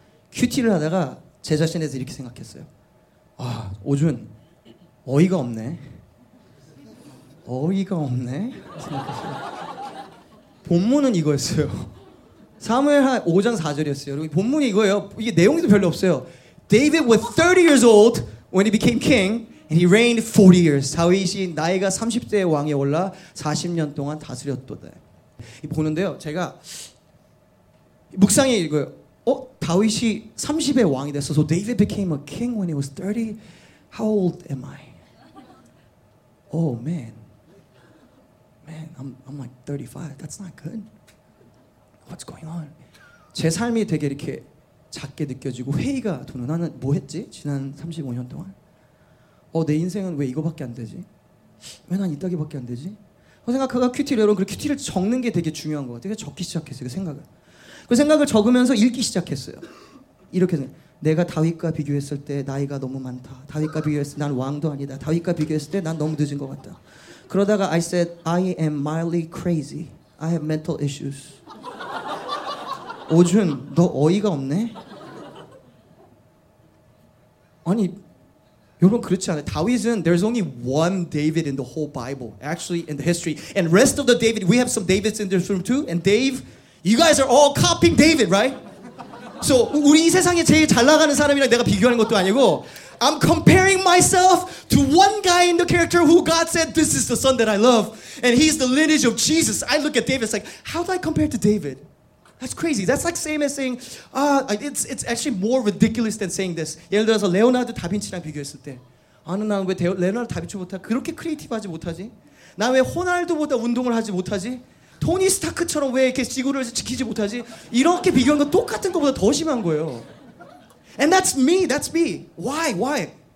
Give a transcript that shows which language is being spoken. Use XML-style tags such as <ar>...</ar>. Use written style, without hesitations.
<ko>큐티를 하다가 제 자신에 대해서 이렇게 생각했어요. 아, 오준, 어이가 없네. 어이가 없네. 본문은 이거였어요. 사무엘하 5장 4절이었어요. 여러분, 본문이 이거예요. 이게 내용이 별로 없어요.</ko> <en>David was 30 years old when he became king and he reigned 40 years.</en> <ko>다윗이 나이가 30대의 왕에 올라 40년 동안 다스렸도다. 보는데요. 제가 묵상이 이거예요. 다윗이 30에 왕이 됐어.</ko> <en>So David became a king when he was 30. How old am I? oh man, man, I'm like 35. That's not good. What's going on?</en> <ko>제 삶이 되게 이렇게 작게 느껴지고 회의가 도는 나는 뭐 했지 지난 35년 동안? 내 인생은 왜 이거밖에 안 되지? 왜 난 이따기밖에 안 되지? 생각하다 큐티를 여러분 그 큐티를 적는 게 되게 중요한 것 같아요. 적기 시작했어요 그 생각을. 그 생각을 적으면서 읽기 시작했어요. 이렇게 내가 다윗과 비교했을 때 나이가 너무 많다. 다윗과 비교했을 때 난 왕도 아니다. 다윗과 비교했을 때 난 너무 늦은 것 같다. 그러다가</ko> <en>I said I am mildly crazy. I have mental issues.</en> <ko>오준 너 어이가 없네. 아니 여러분 그렇지 않아요. 다윗은</ko> <en>there's only one David in the whole Bible. Actually in the history. And rest of the David, we have some Davids in this room too. And Dave, you guys are all copying David, right? So</en> <ko>우리 이 세상에 제일 잘 나가는 사람이랑 내가 비교하는 것도 아니고</ko> <en>I'm comparing myself to one guy in the character who God said this is the son that I love. And he's the lineage of Jesus. I look at David, it's like, how do I compare to David? That's crazy. That's like same as saying, it's actually more ridiculous than saying this.</en> <ko>예를 들어서 레오나르도 다빈치랑 비교했을 때, 나는 왜 레오나르도 다빈치보다 그렇게 크리에이티브하지 못하지? 나 왜 호날두보다 운동을 하지 못하지? 토니 스타크처럼 왜 이렇게 지구를 지키지 못하지? 이렇게 비교한 건 똑같은 것보다 더 심한 거예요.</ko> <en>And that's me. That's me. Why? Why?</en>